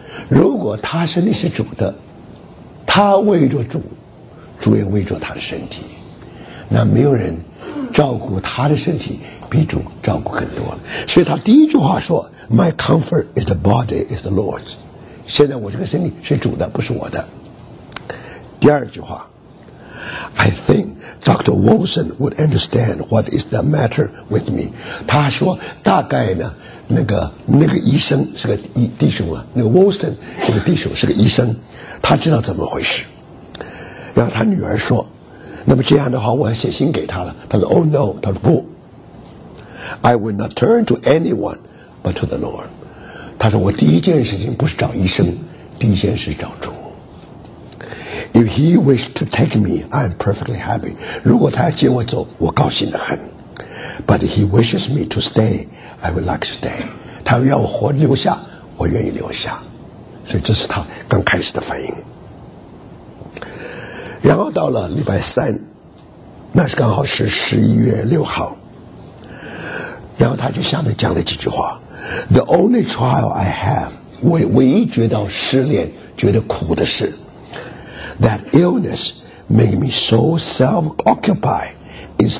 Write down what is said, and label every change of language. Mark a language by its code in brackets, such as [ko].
[zh] 如果他身体是主的，他为着主，主也为着他的身体，那没有人照顾他的身体比主照顾更多了。所以他第一句话说 [en] My comfort is the body is the Lord's， [zh] 现在我这个身体是主的不是我的。第二句话， [en] I think Dr. Wilson would understand what is the matter with me. [zh] 他说大概呢那个医生是个弟兄啊，那个 Wilson 是个弟兄，是个医生，他知道怎么回事。然后他女儿说，那么这样的话我要写信给他了。他说 [en] Oh no， [zh] 他说不， [en] I will not turn to anyone but to the Lord。 [zh] 他说我第一件事情不是找医生，第一件事找主。 [en] If he wished to take me, I'm perfectly happy. [zh] 如果他要接我走，我高兴得很。 [en] But he wishes me to stay, I would like to stay. [zh] 他要我活留下，我愿意留下。所以这是他刚开始的反应。然后到了礼拜三，那是刚好是11月6号。然后他就下面讲了几句话。 [en] The only trial I have, [zh] 我唯一觉得失恋，觉得苦的事。 [en] That illness make me so self-occupied instead